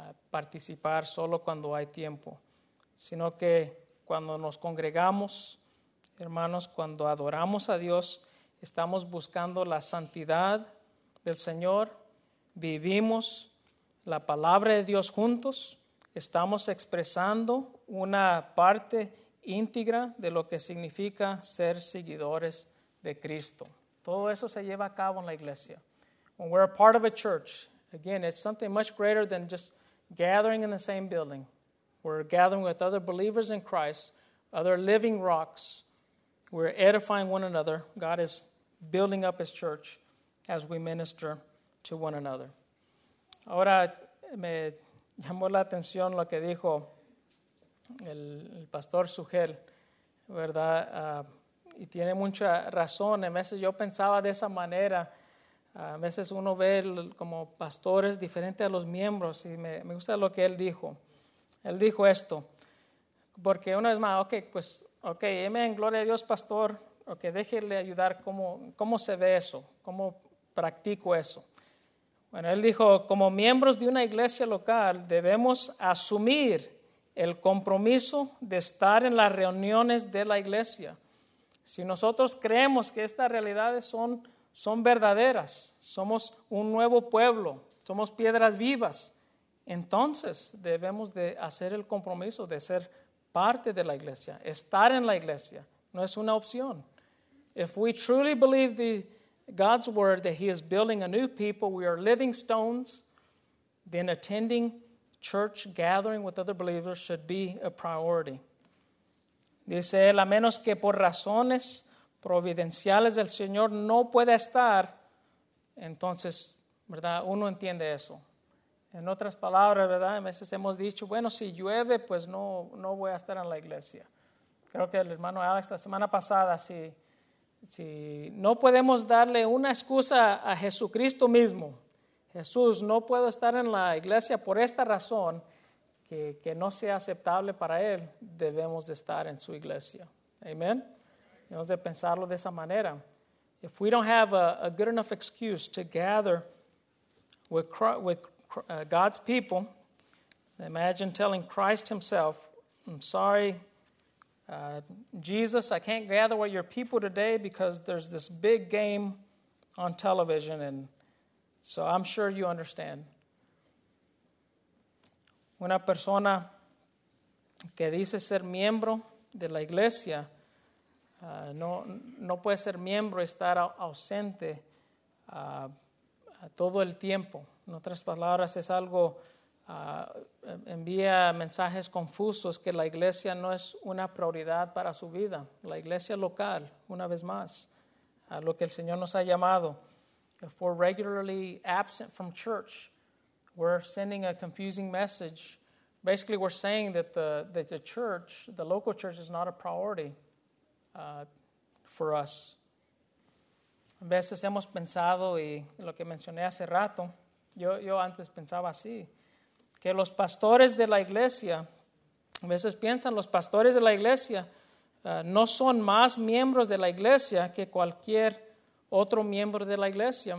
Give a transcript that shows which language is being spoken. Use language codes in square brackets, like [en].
[es] participar solo cuando hay tiempo, sino que cuando nos congregamos, hermanos, cuando adoramos a Dios, estamos buscando la santidad del Señor, vivimos la palabra de Dios juntos, estamos expresando una parte íntegra de lo que significa ser seguidores de Cristo. Todo eso se lleva a cabo en la iglesia. [en] When we're a part of a church, again, it's something much greater than just gathering in the same building. We're gathering with other believers in Christ, other living rocks. We're edifying one another. God is building up his church as we minister to one another. [es] Ahora, me llamó la atención lo que dijo el pastor Sugel, ¿verdad? Y tiene mucha razón. A veces yo pensaba de esa manera. A veces uno ve como pastores diferentes a los miembros y me gusta lo que él dijo. Él dijo esto, porque una vez más, amén, gloria a Dios, pastor, ok, déjele ayudar, ¿cómo se ve eso? ¿Cómo practico eso? Bueno, él dijo, como miembros de una iglesia local, debemos asumir el compromiso de estar en las reuniones de la iglesia. Si nosotros creemos que estas realidades son verdaderas, somos un nuevo pueblo, somos piedras vivas, entonces debemos de hacer el compromiso de ser parte de la iglesia, estar en la iglesia, no es una opción. [en] If we truly believe God's word that he is building a new people, we are living stones, then attending church gathering with other believers should be a priority. [es] Dice él, a menos que por razones providenciales del Señor no pueda estar, entonces, ¿verdad? Uno entiende eso. En otras palabras, ¿verdad? A veces hemos dicho, bueno, si llueve, pues no voy a estar en la iglesia. Creo que el hermano Alex, la semana pasada, si no podemos darle una excusa a Jesucristo mismo, Jesús, no puedo estar en la iglesia por esta razón, que no sea aceptable para él, debemos de estar en su iglesia. ¿Amén? Debemos de pensarlo de esa manera. [en] If we don't have a good enough excuse to gather with God's people, imagine telling Christ himself, I'm sorry, Jesus, I can't gather with your people today because there's this big game on television, and so I'm sure you understand. [es] Una persona que dice ser miembro de la iglesia no puede ser miembro y estar ausente todo el tiempo. En otras palabras, es algo, envía mensajes confusos que la iglesia no es una prioridad para su vida. La iglesia local, una vez más, a lo que el Señor nos ha llamado. [en] If we're regularly absent from church, we're sending a confusing message. Basically, we're saying that the church, the local church, is not a priority for us. [es] A veces hemos pensado, y lo que mencioné hace rato, yo antes pensaba así, que los pastores de la iglesia, a veces piensan los pastores de la iglesia no son más miembros de la iglesia que cualquier otro miembro de la iglesia.